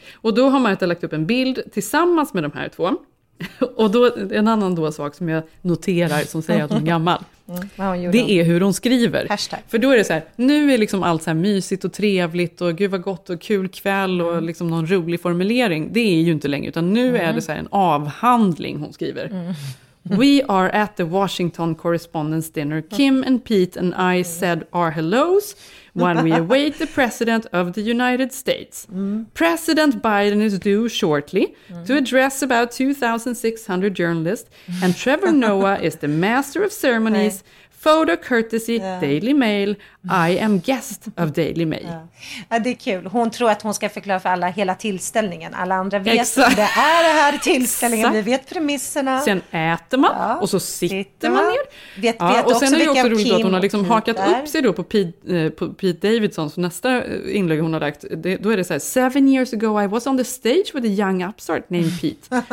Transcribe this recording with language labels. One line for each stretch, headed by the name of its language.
Swedish: Och då har Martha lagt upp en bild tillsammans med de här två. Och då en annan då sak som jag noterar som säger att hon är gammal. Det är hur hon skriver. Hashtag. För då är det så här, nu är liksom allt så här mysigt och trevligt och gud vad gott och kul kväll och liksom någon rolig formulering. Det är ju inte längre, utan nu är det så här en avhandling hon skriver.
English: We are at the Washington Correspondence Dinner. Kim and Pete and I said our hellos when we await the president of the United States. President Biden is due shortly to address about 2,600 journalists, and Trevor Noah is the master of ceremonies Photo courtesy, yeah. Daily Mail, I am guest of Daily Mail.
Swedish: Ja. Ja, det är kul. Hon tror att hon ska förklara för alla hela tillställningen. Alla andra vet hur det är, det här tillställningen. Exakt. Vi vet premisserna. Sen äter man, ja, och så sitter man ner. Vet, ja, vet och sen också är det också roligt Kim att hon har liksom hakat upp sig då på Pete Davidson. Så nästa inlägg hon har lagt, då är det så här:
English: 7 years ago I was on the stage with a young upstart named Pete.